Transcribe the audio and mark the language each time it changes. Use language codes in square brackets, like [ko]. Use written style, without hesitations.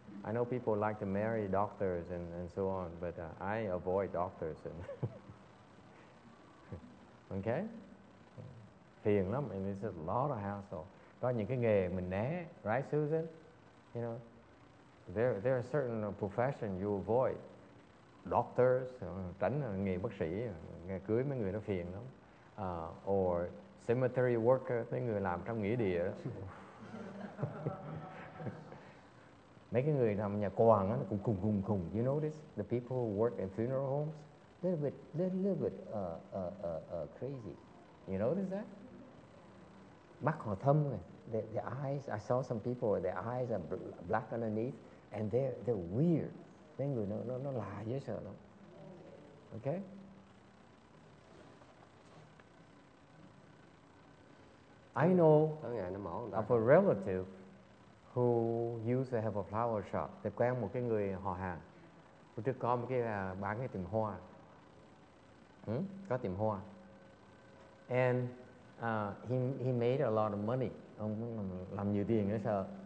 [en] I know people like to marry doctors and so on, but I avoid doctors. And okay? [vi] Phiền lắm, [en] and it's a lot of hassle. [vi] Có những cái nghề mình né, right, Susan? [en] You know, there are certain professions you avoid. [vi] Doctors, tránh nghề bác sĩ, nghề cưới mấy người nó phiền lắm. [en] Or cemetery worker, [vi] mấy người làm trong nghĩa địa. Mấy cái người làm nhà quàng á, cũng cùng. [en] You notice the people who work in funeral homes, little bit crazy. You notice that? [vi] Mắt họ thâm này. [en] The eyes, I saw some people, their eyes are black underneath, and they're weird. [vi] Mấy người nó lạ dễ sợ lắm. Okay? [en] I know of a relative who used to have a flower shop. [vi] Tôi quen một cái người họ hàng. Hồi trước có một cái bán cái tiệm hoa. Có tiệm hoa. [en] And he made a lot of money. [vi] Ông làm nhiều tiền nữa sợ.